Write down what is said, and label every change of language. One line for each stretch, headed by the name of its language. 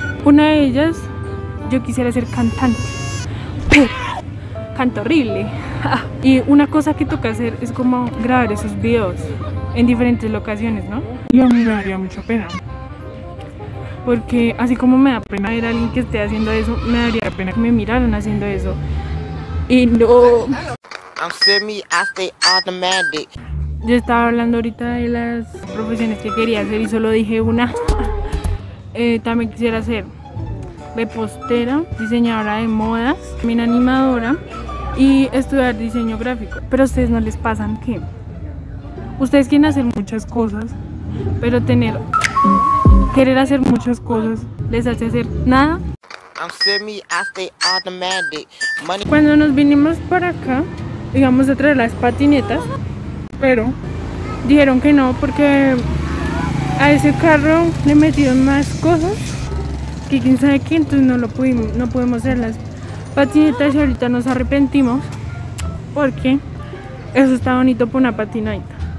Spanish: Una de ellas, yo quisiera ser cantante, pero canto horrible. Y una cosa que toca hacer es como grabar esos videos en diferentes locaciones, ¿no? Y a mí me daría mucha pena, porque así como me da pena ver a alguien que esté haciendo eso, me daría pena que me miraran haciendo eso. Y no.
English: I'm semi, I stay automatic.
Spanish: Yo estaba hablando ahorita de las profesiones que quería hacer y solo dije una. También quisiera ser repostera, diseñadora de modas, también animadora y estudiar diseño gráfico. Pero a ustedes no les pasan que ustedes quieren hacer muchas cosas, pero tener. Querer hacer muchas cosas les hace hacer nada.
English: I'm semi, I stay automatic. Money.
Spanish: Cuando nos vinimos para acá, íbamos a traer las patinetas, pero dijeron que no, porque a ese carro le metieron más cosas que quién sabe qué, entonces no podemos hacer las patinetas. Y ahorita nos arrepentimos porque eso está bonito para una patinadita.